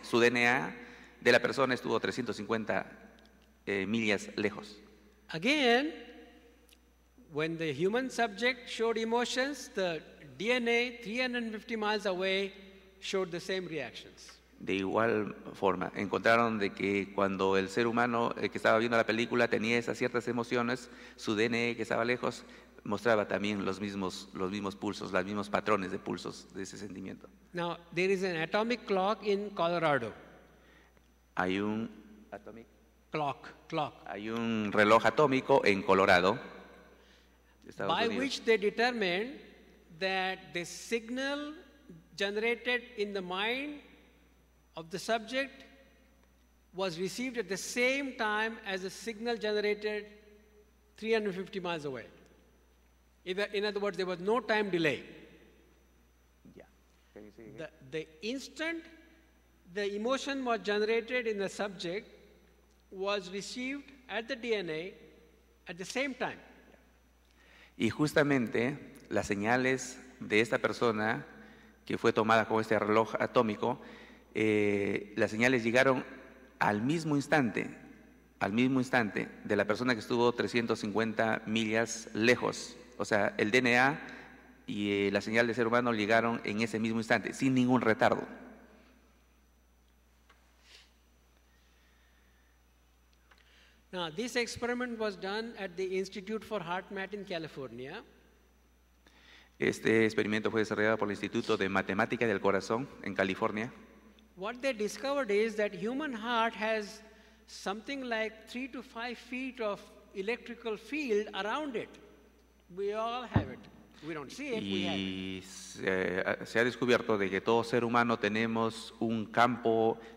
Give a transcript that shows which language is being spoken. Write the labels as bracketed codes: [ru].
[es] Su DNA de la persona estuvo 350 millas lejos. [en] Again, when the human subject showed emotions, the DNA 350 miles away showed the same reactions. [es] De igual forma, encontraron de que cuando el ser humano que estaba viendo la película tenía esas ciertas emociones, su DNA que estaba lejos mostraba también los mismos pulsos, los mismos patrones de pulsos de ese sentimiento. [en] Now, there is an atomic clock in Colorado. [es] Hay un [en] atomic clock. [es] Hay un reloj atómico en Colorado, Estados [en] by [es] Unidos. [en] Which they determine that the signal generated in the mind of the subject was received at the same time as a signal generated 350 miles away. In other words, there was no time delay. Yeah. Can you see? The instant the emotion was generated in the subject was received at the DNA at the same time. [es] Y justamente las señales de esta persona que fue tomada con este reloj atómico, las señales llegaron al mismo instante de la persona que estuvo 350 millas lejos. O sea, el DNA y la señal del ser humano llegaron en ese mismo instante, sin ningún retardo. [en] Now, this experiment was done at the Institute for HeartMath in California. [es] Este experimento fue desarrollado por el Instituto de Matemática del Corazón en California. [en] What they discovered is that human heart has something like 3 to 5 feet of electrical field around it. We all have it. We don't see it, we have it. [es] Y se ha descubierto de que todo ser humano tenemos un campo